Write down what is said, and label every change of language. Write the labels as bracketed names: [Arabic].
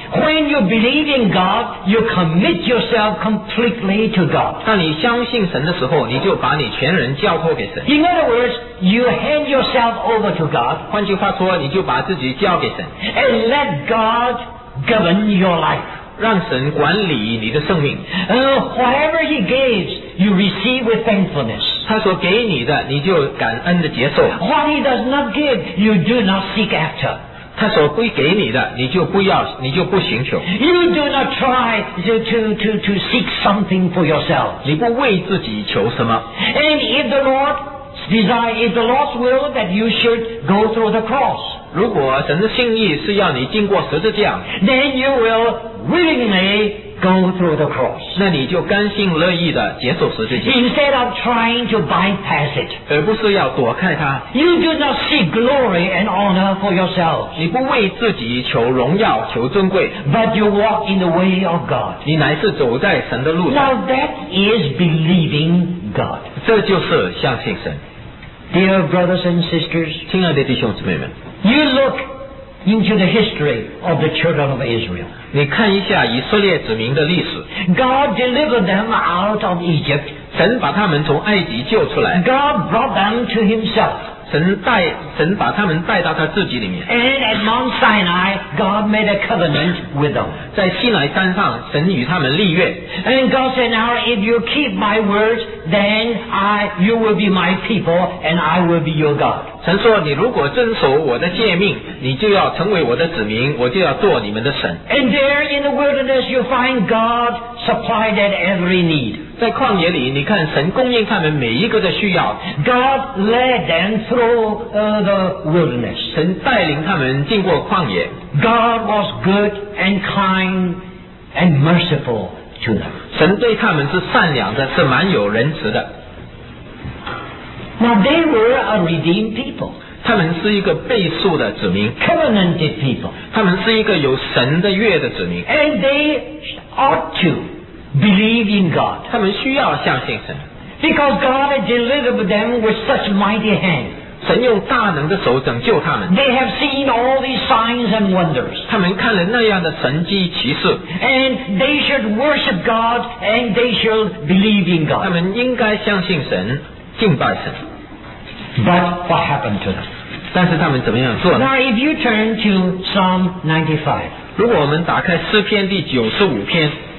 [English] When you believe in God You commit yourself completely to God [Chinese] 当你相信神的时候你就把你全人交托给神 [English] In other words You hand yourself over to God [Chinese] 换句话说你就把自己交给神 [English] And let God govern your life [Chinese] 让神管理你的生命 [English] Whatever he gives You receive with thankfulness [Chinese] 他所给你的你就感恩的接受 [English] What he does not give You do not seek after [Chinese] 他所不给你的你就不要你就不寻求 [English] You do not try to seek something for yourself [Chinese] 你不为自己求什么 [English] And if the Lord's desire is the Lord's will that you should go through the cross [Chinese] 如果神的心意是要你经过十字架 [English] Then you will willingly go through the cross [Chinese] 那你就甘心乐意的接受十字架 [English] Instead of trying to bypass it [Chinese] 而不是要躲开它 [English] You do not seek glory and honor for yourself [Chinese] 你不为自己求荣耀求尊贵 [English] But you walk in the way of God [Chinese] 你乃是走在神的路上 [English] Now that is believing God [Chinese] 这就是相信神 [English] Dear brothers and sisters [Chinese] 亲爱的弟兄姊妹们 [English] You look into the history of the children of Israel [Chinese] 你看一下以色列子民的历史 [English] God delivered them out of Egypt [Chinese] 神把他们从埃及救出来 [English] God brought them to himself [Chinese] 神把他们带到他自己里面 [English] And at Mount Sinai God made a covenant with them [Chinese] 在西乃山上神与他们立约 [English] And God said now if you keep my words then you will be my people and I will be your God [Chinese] 神说你如果遵守我的诫命你就要成为我的子民我就要做你们的神 [English] And there in the wilderness you find God supplied at every need [Chinese] 在旷野里你看神供应他们每一个的需要 [English] God led them through the wilderness [Chinese] 神带领他们经过旷野 [English] God was good and kind and merciful to them [Chinese] 神对他们是善良的是蛮有仁慈的 [English] Now they were a redeemed people. [Chinese] 他们是一个被赎的子民 [English] Covenanted people. [Chinese] 他们是一个有神的约的子民 [English] And they ought to believe in God. [Chinese] 他们需要相信神 [English] Because God had delivered them with such mighty hand. [Chinese] 神用大能的手拯救他们 [English] They have seen all these signs and wonders. [Chinese] 他们看了那样的神迹奇事 [English] And they should worship God and they should believe in God. [Chinese] 他们应该相信神敬拜神 [English] But what happened to them? [Chinese] 但是他们怎么样做呢 [English] Now if you turn to Psalm 95 [Chinese] 如果我们打开诗篇第九十五篇